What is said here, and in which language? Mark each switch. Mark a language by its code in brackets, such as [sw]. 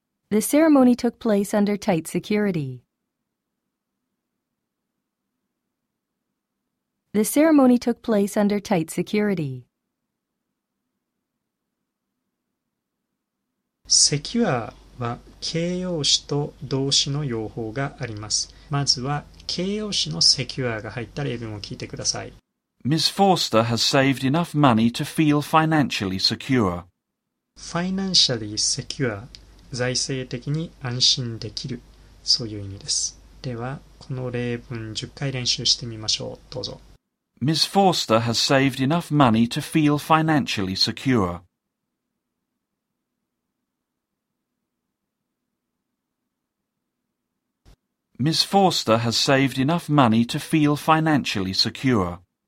[en] The ceremony took place under tight security. The ceremony took place under tight security. [ja] Secure は形容詞と動詞の用法があります。まずは形容詞の secure が入った例文を聞いてください。 [en] Ms. Forster has saved enough money to feel financially secure. Financially secure、 [ja] 財政的に安心できる、そういう意味です。ではこの例文10回練習してみましょう。どうぞ。 [en] Ms. Forster has saved enough money to feel financially secure. Ms. Forster has saved enough money to feel financially secure.